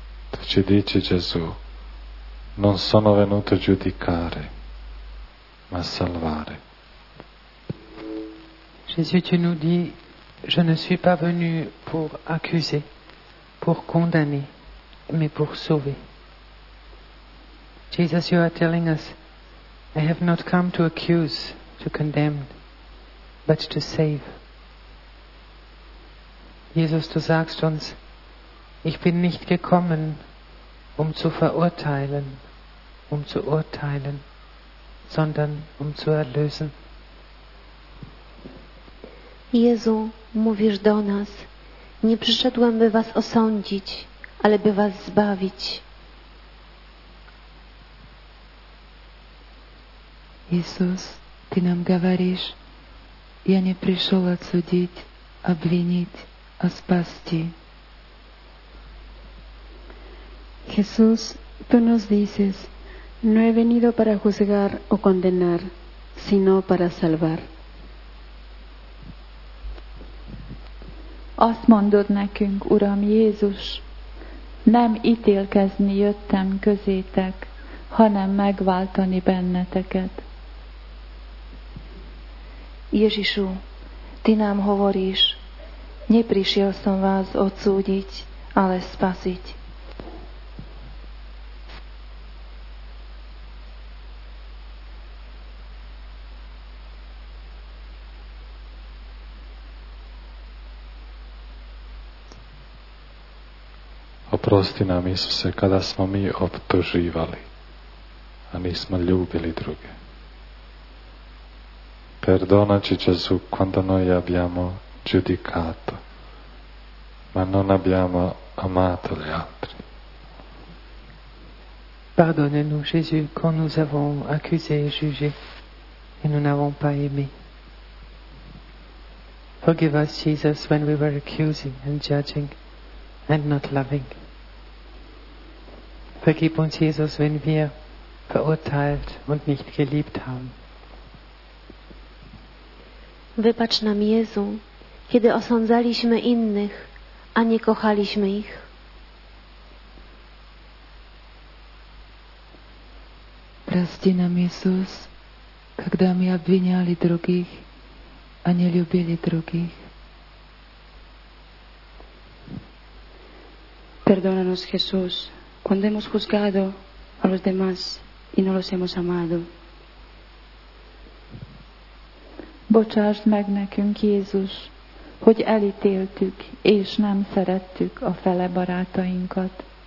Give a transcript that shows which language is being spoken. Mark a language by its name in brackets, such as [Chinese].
[Italian] Tu ci dici, Gesù, non sono venuto giudicare, ma salvare. [French] Gesù, tu nous dis, je ne suis pas venu pour accuser, pour condamner, mais pour sauver. [English] Jesus, you are telling us, I have not come to accuse, to condemn, but to save. [German] Jesus, du sagst uns, ich bin nicht gekommen, um zu verurteilen, um zu urteilen, sondern um zu erlösen. [Polish] Jezu, mówisz do nas, nie przyszedłem, by was osądzić, ale by was zbawić. [Russian] Jezus, ты нам говоришь, я не пришел отсудить, обвинить, а спасти. [Spanish] Jesús, tú nos dices, no he venido para juzgar o condenar, sino para salvar. [Hungarian] Azt mondod nekünk, Uram Jézus, nem ítélkezni jöttem közétek, hanem megváltani benneteket. [Slovak] Ježišu, ty nám hovoríš, neprišiel som vás odsúdiť, ale spasiť. Oprosti nám, Isuse, kada sme my obtužívali a my sme ľúbili druge. [Italian] Perdonaci, Gesù, quando noi abbiamo giudicato, ma non abbiamo amato gli altri. [French] Pardonne-nous, Jésus, quand nous avons accusé et jugé et nous n'avons pas aimé. [English] Forgive us, Jesus, when we were accusing and judging and not loving. [German] Vergib uns, Jesus, wenn wir verurteilt und nicht geliebt haben. [Polish] Wybacz nam, Jezu, kiedy osądzaliśmy innych, a nie kochaliśmy ich. [Russian] Прости нам, Иисус, когда мы обвиняли других, а не любили других. [Spanish] Perdónanos, Jesús, cuando hemos juzgado a los demás y no los hemos amado. [Hungarian] Bocsásd meg nekünk, Jézus, hogy elítéltük és nem szerettük a fele barátainkat.